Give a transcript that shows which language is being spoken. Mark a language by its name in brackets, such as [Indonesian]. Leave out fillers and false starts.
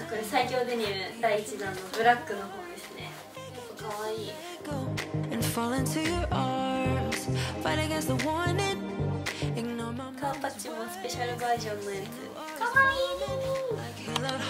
[Japanese] 最強デニム第1弾のブラックの方ですね。かわいい。 [English] And fall into your arms, fight against the warning. Ignore my mind. [Japanese] カーパッチもスペシャルバージョンのやつ。かわいい。